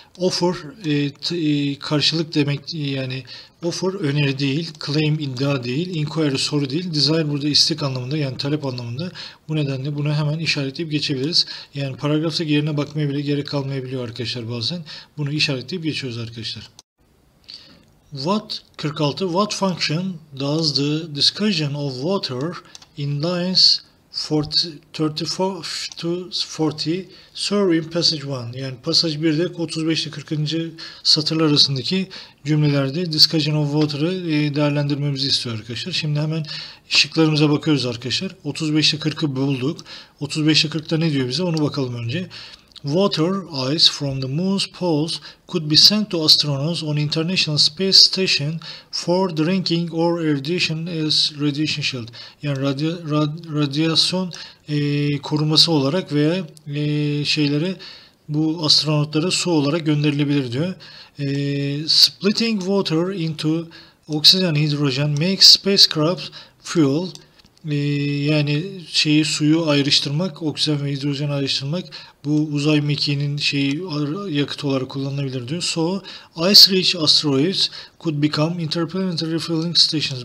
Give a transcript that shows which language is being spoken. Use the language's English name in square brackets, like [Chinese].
[Turkish] Offer karşılık demek, yani offer öneri değil, claim iddia değil, inquiry soru değil, desire burada istek anlamında, yani talep anlamında. Bu nedenle bunu hemen işaretleyip geçebiliriz. Yani paragrafta yerine bakmaya bile gerek kalmayabiliyor arkadaşlar bazen. Bunu işaretleyip geçiyoruz arkadaşlar. [English] What 46, what function does the discussion of water in lines 34 to 40 serve in passage 1? [Turkish] Yani passage 1'de 35 ile 40. satırlar arasındaki cümlelerde [English] discussion of water'ı [Turkish] değerlendirmemizi istiyor arkadaşlar. Şimdi hemen şıklarımıza bakıyoruz arkadaşlar. 35 ile 40'ı bulduk. 35 ile 40'ta ne diyor bize, onu bakalım önce. [English] Water, ice from the moon's poles could be sent to astronauts on International Space Station for drinking or radiation as radiation shield. [Turkish] Yani radyasyon koruması olarak veya şeylere, bu astronotlara su olarak gönderilebilir diyor. [English] Splitting water into oxygen hydrogen makes spacecraft fuel. [Turkish] Yani şeyi, suyu ayrıştırmak, oksijen ve hidrojen ayrıştırmak, bu uzay mekiğinin şeyi, yakıt olarak kullanılabilir diyor. [English] So ice rich asteroids could become interplanetary refueling stations.